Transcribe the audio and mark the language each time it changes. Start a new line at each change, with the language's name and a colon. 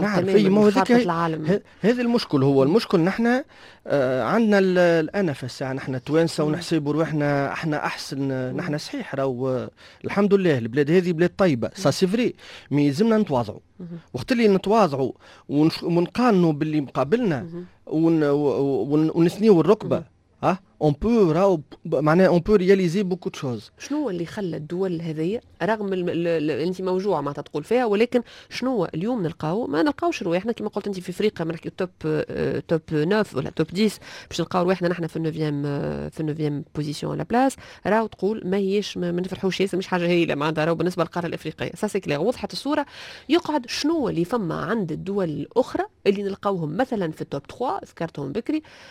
Arabic: نعرف اي خارطة العالم هذا المشكل هو المشكل نحن عندنا انا فساع نحن توانسه ونحسبوا روحنا احنا احسن نحن صحيح راهو الحمد لله البلاد هذه بلاد طيبه
French: سا سي فري مي
Arabic: لازمنا نتواضعوا وقت اللي نتواضعوا ونقارنوا باللي مقابلنا ونثنيوا الركبه
French: on peut réaliser beaucoup de choses.
Arabic: شنو اللي خلى الدول هذه رغم اللي انت موجوعه ما تقول فيها ولكن شنو اليوم نلقاو ما نلقاوش رواحنا كما قلت انت في افريقيا نحكي توب توب 9 ولا توب 10 باش نلقاو رواحنا نحن في 9 في 9 بوزيشن على بلاس راهو تقول ماهيش ما نفرحوش ياسر مش حاجه هايله معناتها راهو بالنسبه للقاره الافريقيه
French: سا سي كلير
Arabic: وضحت الصوره يقعد شنو اللي فما عند الدول الاخرى اللي نلقاوهم مثلا في التوب 3 ذكرتهم بكري